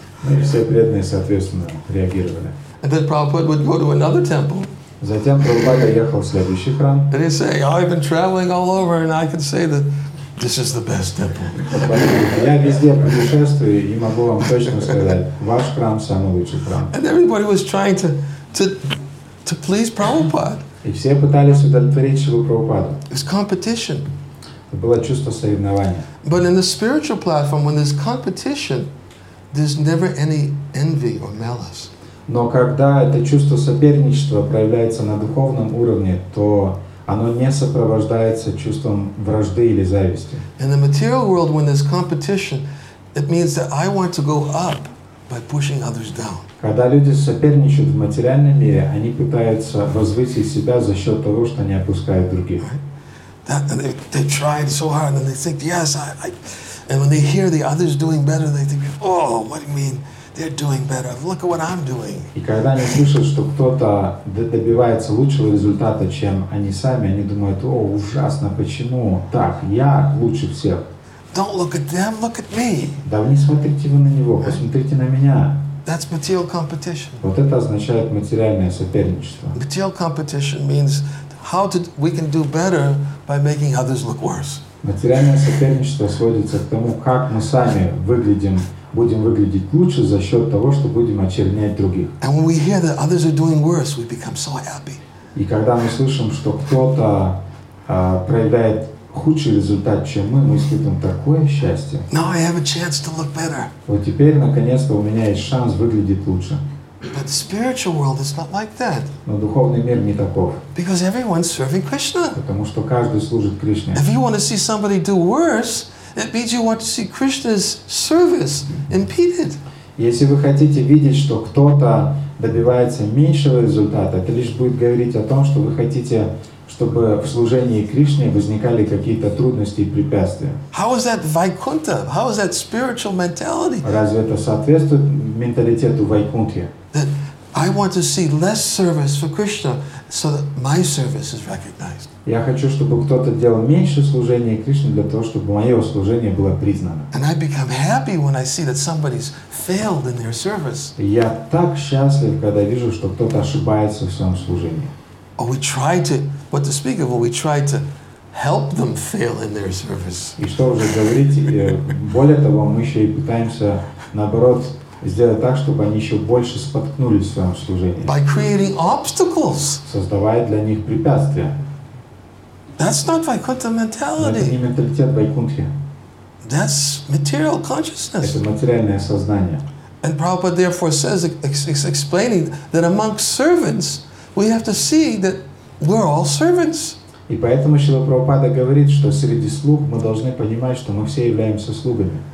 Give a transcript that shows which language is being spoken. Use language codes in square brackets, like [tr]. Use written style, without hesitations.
[ru] И все преданные, соответственно, реагировали. [en] And then Prabhupada would go to another temple. [ru] Затем Прабхупада ехал в следующий храм. [en] And he'd say, I've been traveling all over, and I can say that this is the best temple. [ru] Я везде путешествую и могу вам точно сказать, ваш храм самый лучший храм. [en] And everybody was trying to please Prabhupada. [ru] И все пытались удовлетворить Шрилу Прабхупаду. [en] It's competition. [ru] Это было чувство соревнования. [en] But in the spiritual platform, when there's competition, there's never any envy or malice. [ru] Но когда это чувство соперничества проявляется на духовном уровне, то оно не сопровождается чувством вражды или зависти. [en] In the material world, when there's competition, it means that I want to go up by pushing others down. [ru] Когда люди соперничают в материальном мире, они пытаются возвысить себя за счет того, что они опускают других. [en] That, and they tried so hard, and they think, yes, I. And when they hear the others doing better, they think, oh, what do you mean? They're doing better. Look at what I'm doing. [ru] И когда они слышат, что кто-то добивается лучшего результата, чем они сами, они думают, о, ужасно, почему так? Я лучше всех. [en] Don't look at them, look at me. [ru] Да вы не смотрите вы на него, посмотрите на меня. [en] That's material competition. [ru] Вот это означает материальное соперничество. [en] Material competition means how to, we can do better by making others look worse. [ru] Материальное соперничество сводится к тому, как мы сами выглядим, будем выглядеть лучше за счет того, что будем очернять других. [en] And when we hear that others are doing worse, we become so happy. [ru] И когда мы слышим, что кто-то проявляет худший результат, чем мы испытываем такое счастье. [en] Now I have a chance to look better. [ru] Вот теперь, наконец-то, у меня есть шанс выглядеть лучше. [en] But the spiritual world is not like that. [ru] Но духовный мир не таков. [en] Because everyone's serving Krishna. [ru] Потому что каждый служит Кришне. [en] If you want to see somebody do worse, it means you want to see Krishna's service impeded. [ru] Если вы хотите видеть, что кто-то добивается меньшего результата, это лишь будет говорить о том, что вы хотите, чтобы в служении Кришне возникали какие-то трудности и препятствия. [en] How is that Vaikuntha? How is that spiritual mentality? [ru] Разве это соответствует менталитету Вайкунтхи? [en] That I want to see less service for Krishna so that my service is recognized. [ru] Я хочу, чтобы кто-то делал меньше служения Кришне для того, чтобы мое служение было признано. [en] And I become happy when I see that somebody's failed in their service. [ru] Я так счастлив, когда вижу, что кто-то ошибается в своем служении. [en] Or we try to, what to speak of, we try to help them fail in their service. [ru] И что уже говорить, более того, мы еще и пытаемся, наоборот, сделать так, чтобы они еще больше споткнулись в своем служении. [en] By creating obstacles. [ru] Создавая для них препятствия. [en] That's not Vaikuntha mentality. [ru] Это не менталитет Вайкунтхи. [en] That's material consciousness. [ru] Это материальное сознание. [en] And Prabhupada therefore says, explaining that among servants, we have to see that we're all servants. [ru] И поэтому Шрила Прабхупада говорит, что среди слуг мы должны понимать, что мы все являемся слугами.